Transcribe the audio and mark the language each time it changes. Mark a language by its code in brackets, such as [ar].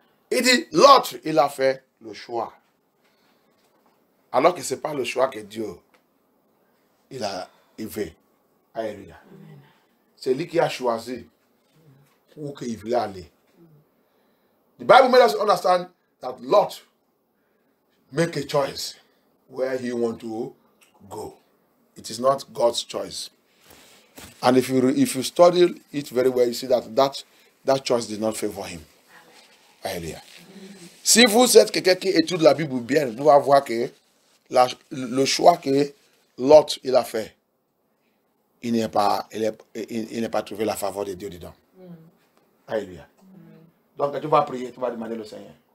[fr] Il dit, Lot, il a fait le choix. Alors que ce n'est pas le choix que Dieu il a élevé à Eria. C'est lui qui a choisi où qu'il voulait aller. [en] The Bible made us understand that Lot make a choice where he want to go. It is not God's choice. And if you study it very well, you see that choice did not favor him. [fr] Alléluia. Si vous êtes quelqu'un qui étudie la Bible bien, vous allez voir que le choix que Lot il a fait, il n'est pas trouvé la faveur de Dieu dedans. Alléluia. Donc tu vas prier, tu vas demander le Seigneur.